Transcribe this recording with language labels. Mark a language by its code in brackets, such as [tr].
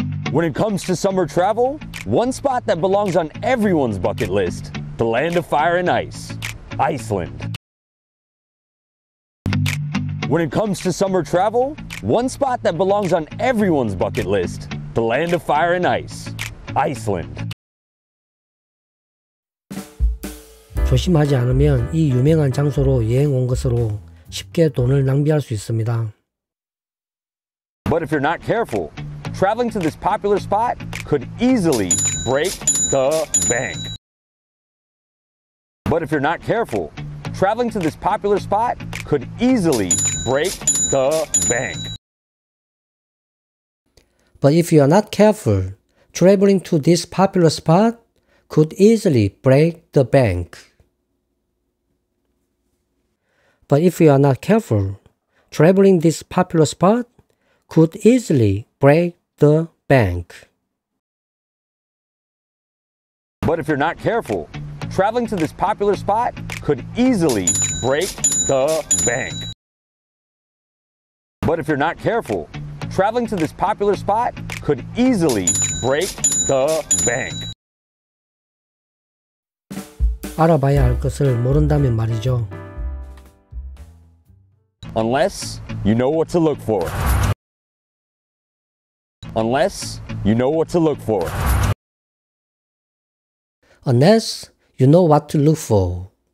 [en] When it comes to summer travel, one spot that belongs on everyone's bucket list, the land of fire and ice, Iceland. When it comes to summer travel, one spot that belongs on everyone's bucket list, the land of fire and ice, Iceland. [ko] 조심하지 않으면 이 유명한 장소로 여행 온 것으로 쉽게 돈을 낭비할 수 있습니다. [en] But if you're not careful, traveling to this popular spot could easily break the bank. But if you're not careful, traveling to this popular spot could easily break the bank. But if you're not careful, traveling to this popular spot could easily break the bank. But if you are not careful, traveling this popular spot could easily break the bank. But if you're not careful, traveling to this popular spot could easily break the bank. But if you're not careful, traveling to this popular spot could easily break the bank. [ko] 알아봐야 할 것을 모른다면 말이죠. [en] Unless you know what to look for. Unless you know what to look for. Unless you know what to look for.